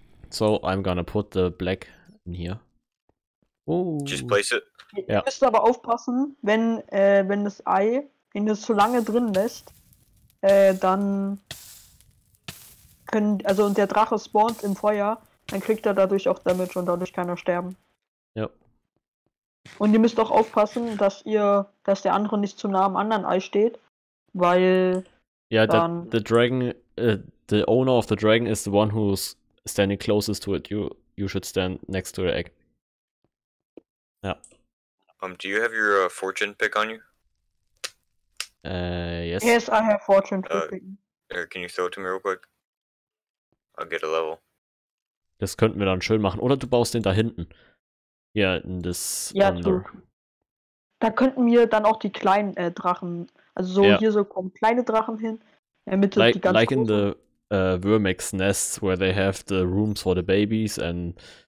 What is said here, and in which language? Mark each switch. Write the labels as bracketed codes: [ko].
[en] So, I'm gonna put the black in here. Just place it. [de] Ihr müsst aber aufpassen, wenn das Ei, wenn es zu lange drin lässt, dann können, also und der Drache spawnt im Feuer, dann kriegt er dadurch auch Damage und dadurch kann er sterben. Ja. Und ihr müsst auch aufpassen, dass der andere nicht zu nah am anderen Ei steht, weil ja, dann [en] the dragon, the owner of the dragon is the one who's standing closest to it. You should stand next to the egg. Yeah. Do you have your fortune pick on you? Yes. Yes, I have fortune pick. Can you throw it to me real quick? I'll get a level. [de] Das könnten wir dann schön machen. Oder du baust den da hinten. Ja, in das. Ja, da könnten wir dann auch die kleinen Drachen, also so hier so kommen kleine Drachen hin. Damit [en] like, [de] die ganz [en] like in the Würmex nests where they have the rooms for the babies and.